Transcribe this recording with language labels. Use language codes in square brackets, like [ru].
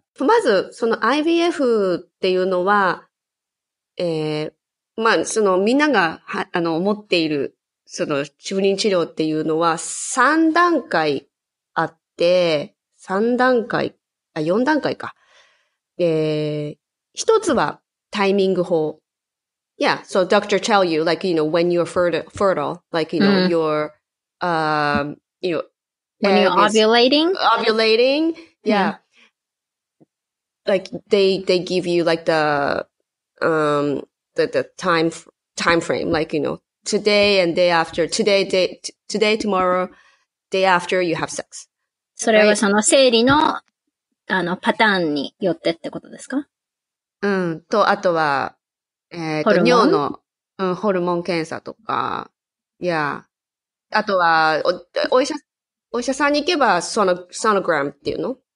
[ja] まず、その IVF っていうのは、まあ、そのみんなが、思っている、その、受妊治療っていうのは、3段階、で、三段階、あ、四段階か。で、一つはタイミング法。 [en] Yeah, so doctor tell you, like, you know, when you're fertile, like, you know,、mm. When you're ovulating? Ovulating, yeah.、Mm. Like, they give you, like, the time frame, like, you know, today and day after, today, tomorrow, day after, you have sex. [ja] それはその生理の、 [en] right. [ja] パターンによってってことですか？うん。と、あとは、尿の、うん、ホルモン検査とか、いや、あとは、お医者さんに行けば、ソノグラムっていうの？